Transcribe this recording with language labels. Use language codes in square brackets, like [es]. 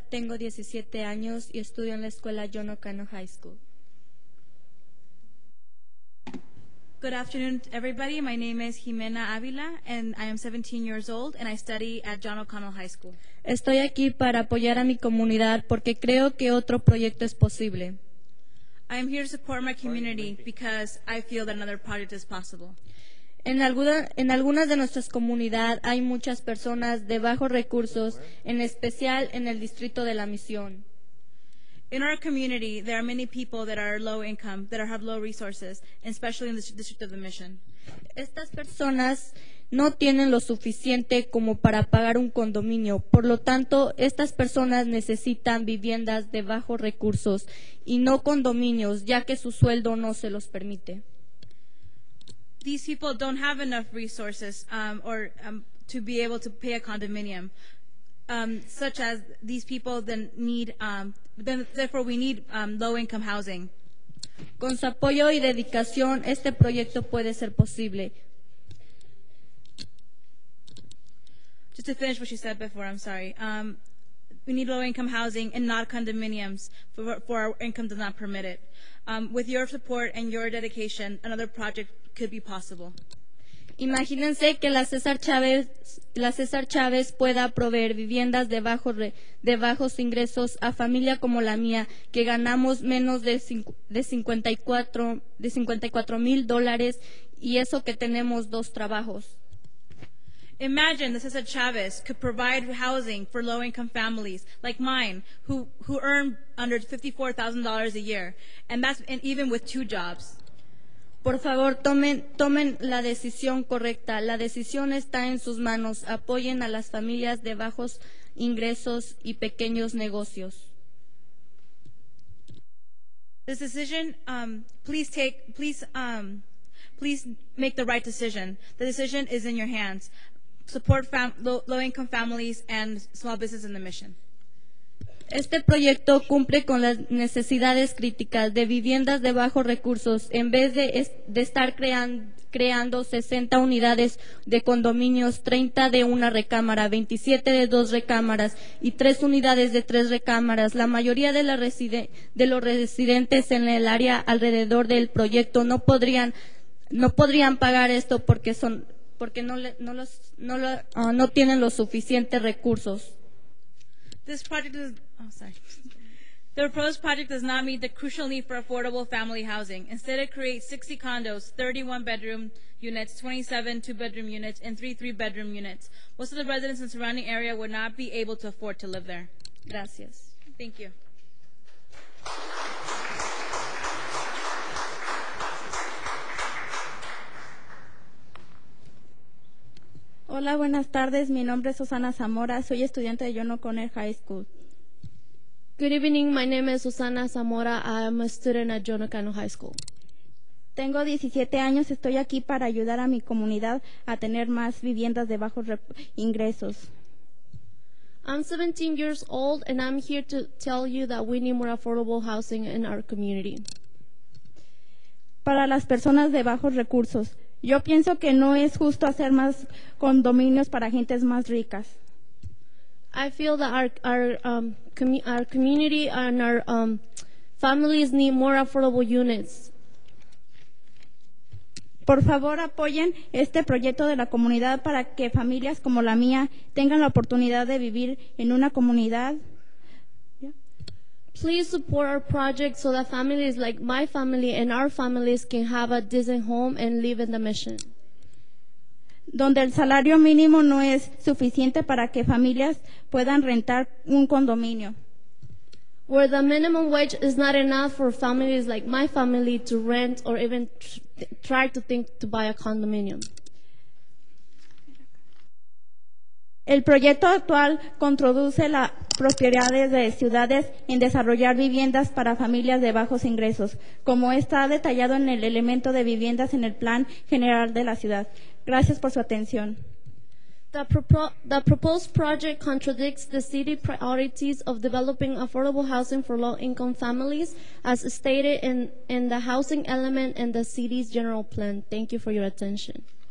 [es] Tengo 17 años y estudio en la escuela John O'Connor High School. [en] Good afternoon, everybody. My name is Jimena Ávila, and I am 17 years old, and I study at John O'Connor High School. [es] Estoy aquí para apoyar a mi comunidad porque creo que otro proyecto es posible. [en] I am here to support my community because I feel that another project is possible. [es] En algunas de nuestras comunidades hay muchas personas de bajos recursos, en especial en el distrito de la Misión. [en] In our community, there are many people that are low income, that have low resources, especially in the district of the Mission. [es] Estas personas no tienen lo suficiente como para pagar un condominio. Por lo tanto, estas personas necesitan viviendas de bajos recursos y no condominios, ya que su sueldo no se los permite. [en] These people don't have enough resources to be able to pay a condominium, such as these people then need, therefore we need low-income housing. [es] Con su apoyo y dedicación, este proyecto puede ser posible. [en] Just to finish what she said before, I'm sorry. We need low-income housing and not condominiums, for our income does not permit it. With your support and your dedication, another project could be possible. [es] Imagínense que la César Chávez pueda proveer viviendas de bajos ingresos a familia como la mía, que ganamos menos de 54 mil dólares, y eso que tenemos dos trabajos. [en] Imagine the Cesar Chavez could provide housing for low-income families like mine who earn under $54,000 a year, and that's even with two jobs. [es] Por favor, tomen la decisión correcta. La decisión está en sus manos. Apoyen a las familias de bajos ingresos y pequeños negocios. [en] This decision, please make the right decision. The decision is in your hands. Support low-income families and small businesses in the Mission. [es] Este proyecto cumple con las necesidades críticas de viviendas de bajos recursos. En vez de estar creando 60 unidades de condominios, 30 de una recámara, 27 de dos recámaras y 3 unidades de 3 recámaras, la mayoría de, los residentes en el área alrededor del proyecto no podrían pagar esto porque no tienen los suficientes recursos. [en] The proposed project does not meet the crucial need for affordable family housing. Instead, it creates 60 condos, 31 bedroom units, 27 two bedroom units, and 3 3 bedroom units. Most of the residents in the surrounding area would not be able to afford to live there. [es] Gracias. [en] Thank you. [es] Hola, buenas tardes. Mi nombre es Susana Zamora. Soy estudiante de John O'Connor High School. [en] Good evening. My name is Susana Zamora. I am a student at John O'Connor High School. [es] Tengo 17 años. Estoy aquí para ayudar a mi comunidad a tener más viviendas de bajos ingresos. [en] I'm 17 years old, and I'm here to tell you that we need more affordable housing in our community. [es] Para las personas de bajos recursos, yo pienso que no es justo hacer más condominios para gentes más ricas. [en] I feel that our community and our families need more affordable units. [es] Por favor, apoyen este proyecto de la comunidad para que familias como la mía tengan la oportunidad de vivir en una comunidad. [en] Please support our project so that families like my family and our families can have a decent home and live in the Mission. [es] Donde el salario mínimo no es suficiente para que familias puedan rentar un condominio. [en] Where the minimum wage is not enough for families like my family to rent or even try to think to buy a condominium. [es] El proyecto actual introduce la propiedad de ciudades en desarrollar viviendas para familias de bajos ingresos, como está detallado en el elemento de viviendas en el Plan General de la Ciudad. Gracias por su atención. [en] The proposed project contradicts the city priorities of developing affordable housing for low-income families, as stated in the housing element in the city's general plan. Thank you for your attention.